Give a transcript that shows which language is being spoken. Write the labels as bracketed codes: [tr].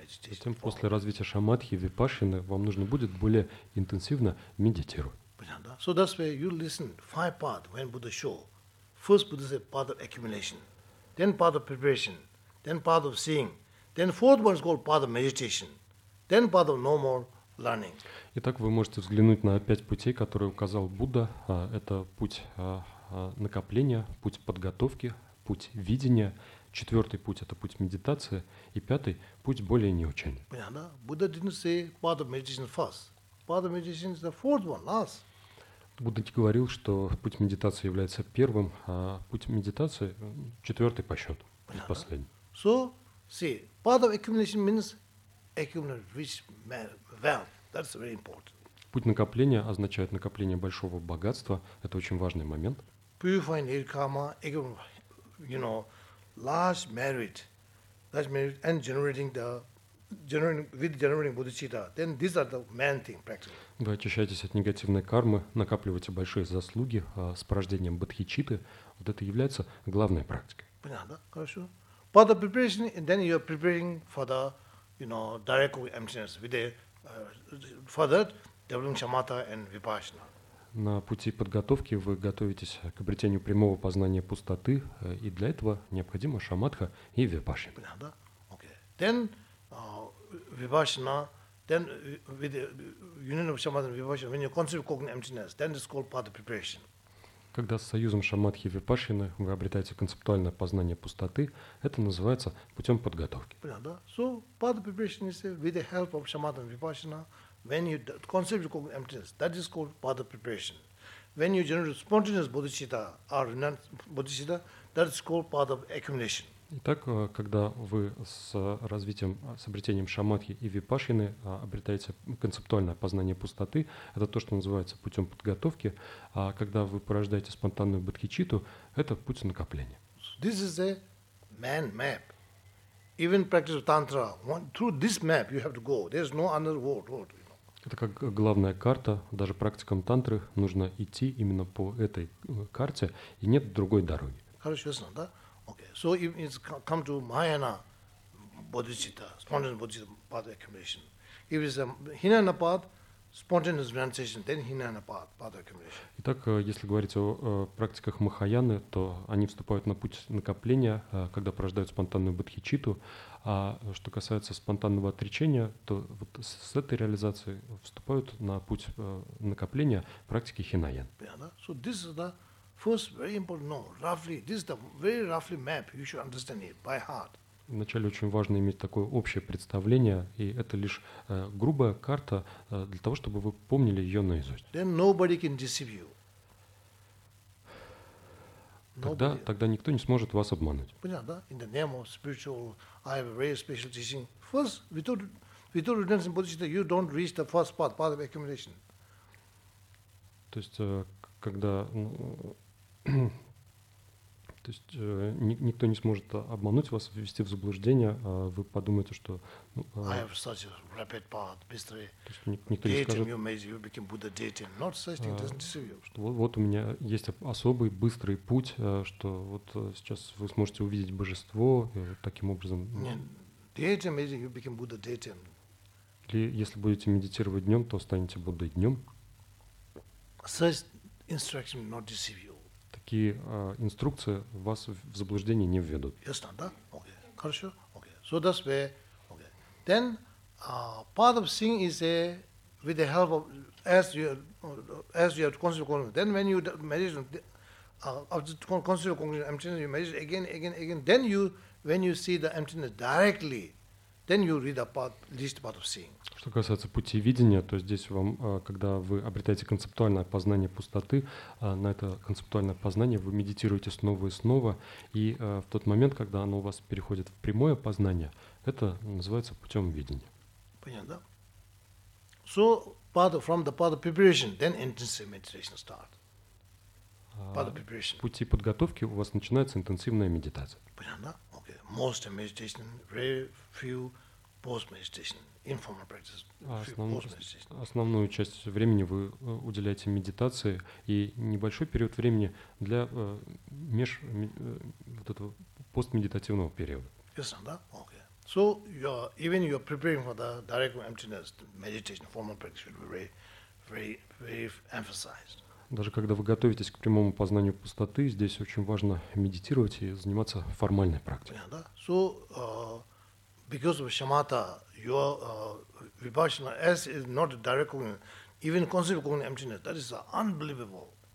[ru] Затем после развития шамадхи и випашаны вам нужно будет более интенсивно медитировать. [en] So that's where you listen five path when Buddha show. First Buddha said path of accumulation, then path of preparation, then path of seeing. Then fourth one is called path of meditation. Then path of no more learning. [ru] Итак, вы можете взглянуть на пять путей, которые указал Будда. Это путь накопления, путь подготовки, путь видения. Четвертый путь – это путь медитации. И пятый – путь более неучения. Понятно? [en] Buddha didn't say path of meditation first. Path of meditation is the fourth one, last. [ru] Будда не говорил, что путь медитации является первым, а путь медитации – четвертый по счету, и последний. [en] So, see, part of accumulation means accumulate rich wealth. That's very important. [ru] Путь накопления означает накопление большого богатства. Это очень важный момент. [en] Purifying your karma, you know, large merit, and generating the generating with generating bodhicitta. Then these are the main thing practically. [ru] Вы очищаетесь от негативной кармы, накапливаете большие заслуги с порождением бодхичитты. Вот это является главной практикой. Понятно, да? Хорошо. [en] But the preparation, and then you are preparing for the, you know, direct emptiness with the, for that, developing shamatha and vipassana. [ru] На пути подготовки вы готовитесь к обретению прямого познания пустоты, и для этого необходимо шамадха и випассана. Понятно, да? Okay. [en] Then vipassana, then with the union of shamatha and vipassana, when you conceive cognitive emptiness, then it's called part of preparation. [ru] Когда с союзом шамадхи и випассаны вы обретаете концептуальное познание пустоты, это называется путем подготовки. Понятно, да? [en] So, part of preparation is with the help of shamatha and vipassana, when you conceive your cognitive emptiness, that is called part of preparation. When you generate spontaneous bodhicitta or bodhicitta, that is called part of accumulation. [ru] Итак, когда вы с развитием, с обретением шамадхи и випассаны обретаете концептуальное познание пустоты, это то, что называется путем подготовки, а когда вы порождаете спонтанную бодхичитту, это путь накопления. [en] This is a man map. Even practice of tantra, through this map you have to go. There's no other world, you know. [ru] Это как главная карта, даже практикам тантры нужно идти именно по этой карте, и нет другой дороги. Хорошо, ясно, да? [en] Okay. So if it's come to Mahayana Bodhicitta, spontaneous Bodhicitta path accumulation. If it's a Hinayana path, spontaneous renunciation, then Hinayana path, path accumulation. [ru] Итак, если говорить о практиках Махаяны, то они вступают на путь накопления, когда порождают спонтанную бодхичитту. А что касается спонтанного отречения, то вот с этой реализацией вступают на путь накопления практики хинаян. [en] So this is the first very important, no, roughly, this is the very roughly map, you should understand it by heart. [ru] Вначале очень важно иметь такое общее представление, и это лишь грубая карта для того, чтобы вы помнили ее наизусть. [en] Then nobody can deceive you. [ru] Тогда, [en] nobody. [ru] Тогда никто не сможет вас обмануть. Понятно, да? [en] In the name of spiritual, I have a very special teaching. First, without renunciation and bodhicitta, you don't reach the first path, path of accumulation. [ru] То есть, когда... То есть никто не сможет обмануть вас, ввести в заблуждение, вы подумаете, что... Ну, [en] I have such a rapid path, [ru] быстрый. То есть никто не скажет... [en] Datum, you made, you became Buddha datum. Not such thing, doesn't deceive you. [ru] Что вот у меня есть особый быстрый путь, что вот сейчас вы сможете увидеть божество, таким образом... [en] Datum, made, you became Buddha datum. [ru] Или если будете медитировать днем, то станете Буддой днем. [en] Such instruction not deceive you. [ru] Такие инструкции вас в заблуждение не введут. Ясно, да? Окей. Хорошо? Окей. [en] So that's where, okay. Then, part of seeing is a, with the help of, as you have conceived cognition, then when you meditate, after conceived cognition, emptiness, you meditate again, then you, when you see the emptiness directly, then you read the part, least part of seeing. [ru] Что касается пути видения, то здесь вам, когда вы обретаете концептуальное познание пустоты, на это концептуальное познание вы медитируете снова и снова, и в тот момент, когда оно у вас переходит в прямое познание, это называется путем видения. Понятно, да? [en] So, part of, from the part of preparation, then intensive meditation start. Part of preparation. [ru] В пути подготовки у вас начинается интенсивная медитация. Понятно, да? [en] Okay. Most meditation, very few post-meditation. Informal practice. [ru] Основную часть времени вы уделяете медитации и небольшой период времени для вот этого постмедитативного периода. Ясно, да? Okay. [en] So you're even you're preparing for the direct emptiness, the meditation, formal practice should be very, very, very emphasized. [ru] Даже когда вы готовитесь к прямому познанию пустоты, здесь очень важно медитировать и заниматься формальной практикой. [en] Yeah, [ru] да? [en] So because of shamatha, your vipassana as is not direct cognition, even conceptual cognition emptiness, that is unbelievable.